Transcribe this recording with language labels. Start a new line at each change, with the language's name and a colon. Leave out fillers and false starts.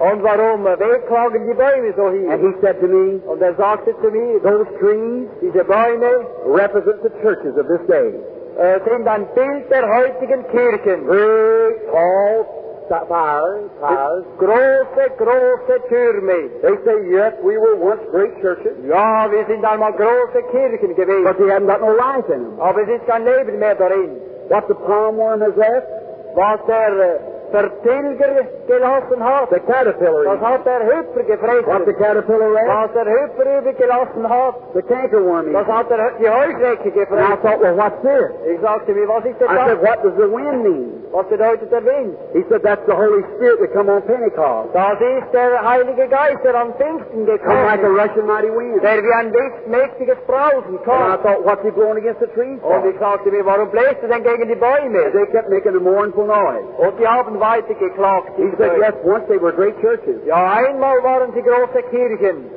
German: Und warum wehklagen die Bäume so hier?
English: And he said to me,
German: und sagte zu mir,
English: those trees,
German: diese Bäume,
English: represent the churches of this day.
German: Sind ein Bild der heutigen Kirchen.
English: Great, tall, towers.
German: Große, große Türme.
English: They say, yes, we were once great churches.
German: Ja, wir sind einmal große Kirchen gewesen.
English: But they haven't got no life in them.
German: Aber es ist kein Leben mehr darin.
English: What the palm worm has left?
German: Was der Vertilger gelassen hat.
English: The caterpillar.
German: Was hat der Hüpfer gefressen?
English: What the caterpillar left?
German: Was der Hüpfer übrig gelassen hat.
English: The canker worm.
German: Was hat der die Heuschrecke gefressen?
English: And I thought, well, what's this?
German: Ich sagte mir, was ist das?
English: I said, what does the wind mean?
German: Was bedeutet der Wind?
English: He said, that's the Holy Spirit that come on Pentecost.
German: Das ist der Heilige Geist, der am Pfingsten gekommen.
English: Come like a rushing mighty wind.
German: Der wie ein mächtiges Brausen kommt.
English: And I thought, what's he blowing against the trees?
German: Und ich sagte mir, warum bläst er denn gegen die Bäume?
English: They kept making a mournful noise.
German: Und die haben
English: he said, yes, once they were great churches.
German: Ja, einmal waren sie große Kirchen.